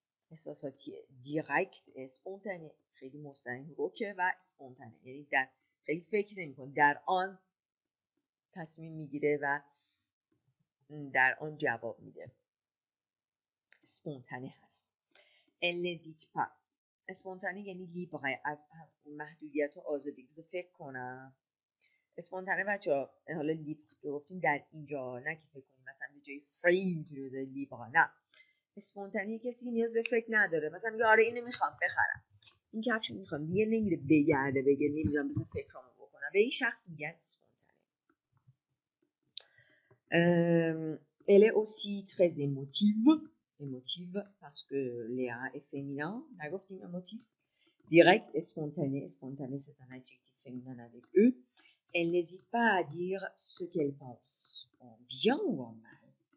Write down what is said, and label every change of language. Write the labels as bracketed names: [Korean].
[French] احساسی direct et spontané. [Persian] خیلی مستقیم روکه و spontané. یعنی در خیلی فکر نمیکنه. در آن تصمیم میگیره و در آن جواب میده. اسپونتانه هست. [French] النزیت پا. [Persian] اسپونتانه یعنی لیبره از محدودیت و آزادی. بذار فکر کنم. اسپونتانه بچه ها. حالا لیبره گفتیم در اینجا. نه که فکر کنیم. مثلا به جای فریم تو روزه لیبره. نه. اسپونتانه کسی نیاز به فکر نداره. مثلا میگه آره اینو میخوام بخرم. این کفشو میخوام. دیگه نمیره بگرده بگه. نمیدونم بذار فکرامو بکنم. به این شخص میگه اسپونتانه. [French] Elle est aussi très émotive parce que Léa est féminin, d'accord, émotif, direct et spontané. Spontané, c'est un adjectif féminin avec eux. Elle n'hésite pas à dire ce qu'elle pense, en bien ou en mal.